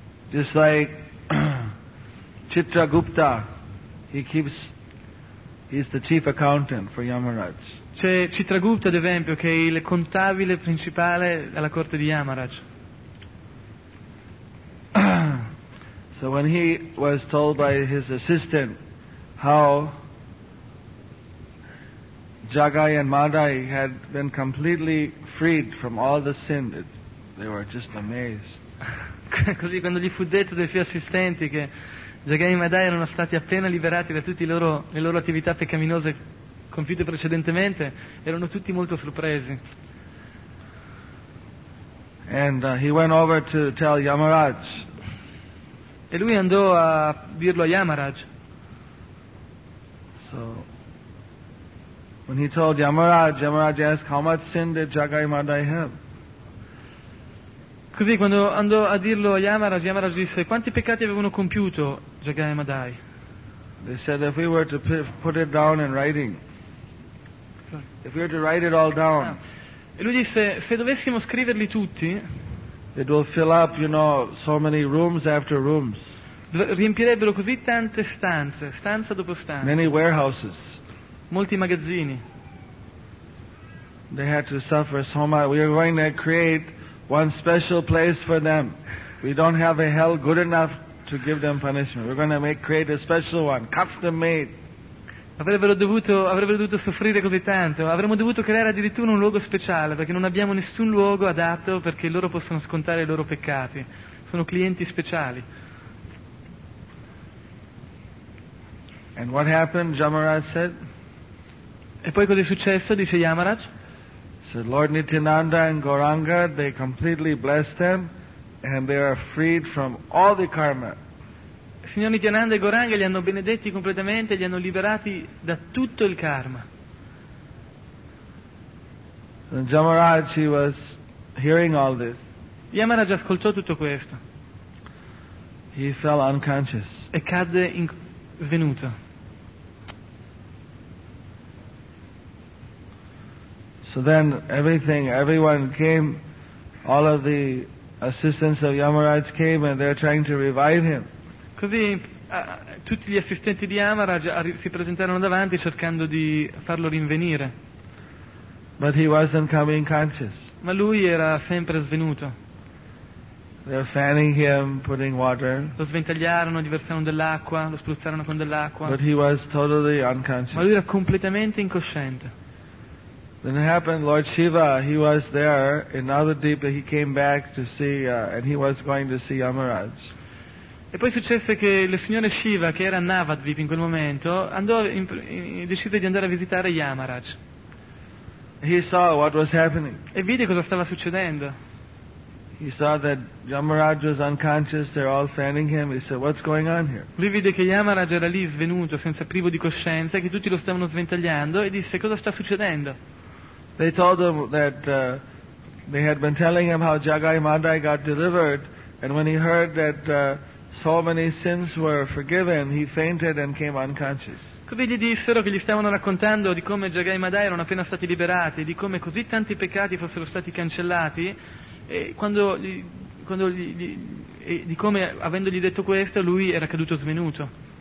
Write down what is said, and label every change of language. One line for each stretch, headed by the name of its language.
English: Just like Chitragupta, he's the chief accountant for Yamaraj.
Italian: C'è Chitragupta, ad esempio, che è il contabile principale alla corte di Yamaraj.
English: So when he was told by his assistant how Jagai and Madai had been completely freed from all the sin, they were just amazed.
Italian: Così quando gli fu detto dai suoi assistenti che Jagai e Madai erano stati appena liberati da tutte le loro attività peccaminose compiute precedentemente, erano tutti molto sorpresi.
English: And he went over to tell Yamaraj.
Italian: E lui andò a dirlo a Yamaraj.
English: So when he told Yamaraj, Yamaraj asked, "How much sin did Jagai Madai have?"
Italian: Così quando andò a dirlo a Yamaraj, Yamaraj disse, "Quanti peccati avevano compiuto Jagai Madai?"
English: They said, "If we were to put it down in writing, if we were to write it all down."
Italian: E lui disse, "Se dovessimo scriverli tutti,
English: it will fill up, you know, so many rooms after rooms."
Italian: Riempirebbero così tante stanze, stanza dopo stanza.
English: Many warehouses.
Italian: Molti magazzini.
English: They had to suffer so much. We are going to create one special place for them. We don't have a hell good enough to give them punishment. We're going to create a special one, custom made.
Italian: Avrebbero dovuto soffrire così tanto. Avremmo dovuto creare addirittura un luogo speciale, perché non abbiamo nessun luogo adatto perché loro possano scontare i loro peccati. Sono clienti speciali.
English: And what happened? Yamaraj said.
Italian: E poi cosa è successo, dice Yamaraj?
English: So Lord Nityananda and Gauranga, they completely blessed them, and they are freed from all the karma.
Italian: Signor Nityananda e Gauranga li hanno benedetti completamente, li hanno liberati da tutto il karma.
English: And Yamaraj, he was hearing all this.
Italian: Yamaraj ascoltò tutto questo.
English: He fell unconscious.
Italian: E cadde svenuto.
English: So then everything, everyone came, all of the assistants of Yamaraj came and they're trying to revive him.
Italian: Così tutti gli assistenti di Yamaraj si presentarono davanti cercando di farlo rinvenire.
English: But he wasn't coming conscious.
Italian: Ma lui era sempre svenuto.
English: They're fanning him, putting water.
Italian: Lo sventagliarono, gli versarono dell'acqua, lo spruzzarono con dell'acqua.
English: But he was totally unconscious.
Italian: Ma lui era completamente incosciente.
English: Then it happened, Lord Shiva, he was there in Navadvipa, he came back to see, and he was going to see Yamaraj.
Italian: E poi successe che il signore Shiva, che era a Navadvipa in quel momento, andò decise di andare a visitare Yamaraj.
English: He saw what was happening.
Italian: E vide cosa stava succedendo.
English: He saw that Yamaraj was unconscious, they're all fanning him. He said, "What's going on here?"
Italian: Lui vide che Yamaraj era lì svenuto, senza privo di coscienza, e che tutti lo stavano sventagliando, e disse, "Cosa sta succedendo?"
English: They told him that they had been telling him how Jagai Madai got delivered, and when he heard that so many sins were forgiven, he fainted and came unconscious.
Italian: Così gli dissero che gli stavano raccontando di come Jagai Madai erano appena stati liberati, di come così tanti peccati fossero stati cancellati, e di come avendogli detto questo lui era caduto svenuto.